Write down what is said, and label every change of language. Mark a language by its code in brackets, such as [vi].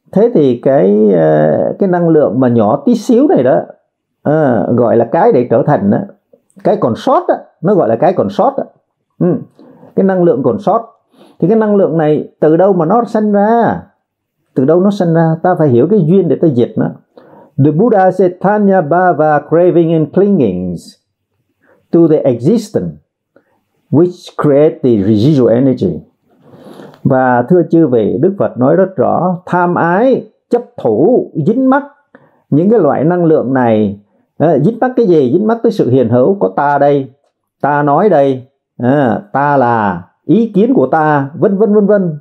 [vi] Thế thì cái năng lượng mà nhỏ tí xíu này đó, gọi là cái để trở thành đó, cái còn sót đó, nó gọi là cái còn sót đó. Cái năng lượng còn sót, thì cái năng lượng này từ đâu mà nó sanh ra? Từ đâu nó sanh ra? Ta phải hiểu cái duyên để ta dịch nó. [en] The Buddha said Tanya Bhava craving and clingings to the existence which create the residual energy. [vi] Và thưa chư vị, Đức Phật nói rất rõ, tham ái, chấp thủ, dính mắc những cái loại năng lượng này. Dính mắc cái gì? Dính mắc tới sự hiện hữu có ta đây, ta nói đây, ta là ý kiến của ta, vân vân vân vân.